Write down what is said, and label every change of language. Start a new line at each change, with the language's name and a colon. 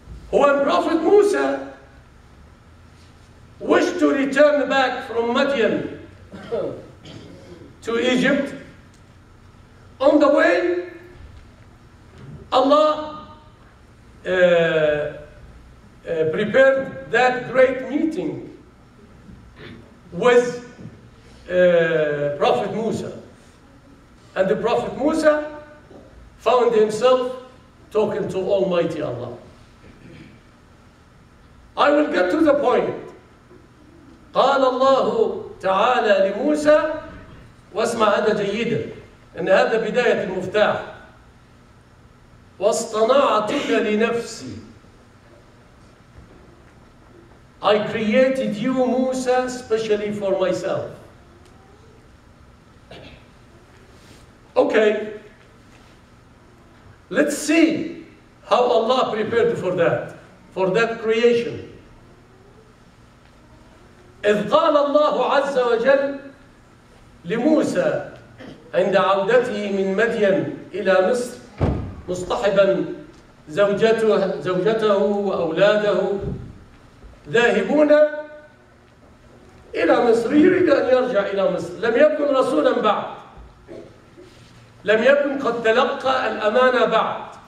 English: When Prophet Musa wished to return back from Madian to Egypt, on the way, Allah prepared that great meeting with Prophet Musa. And the Prophet Musa found himself talking to Almighty Allah. I will get to the point.
Arabic: قال الله تعالى لموسى، واسمع هذا جيدا، إن هذا بداية المفتاح. واصطنعتك لنفسي.
English: I created you, Musa, specially for myself. Okay. Let's see how Allah prepared for that creation.
Arabic: إذ قال الله عز وجل لموسى عند عودته من مدين إلى مصر مصطحبا زوجته وأولاده ذاهبون إلى مصر، يريد أن يرجع إلى مصر، لم يكن رسولا بعد، لم يكن قد تلقى الأمانة بعد،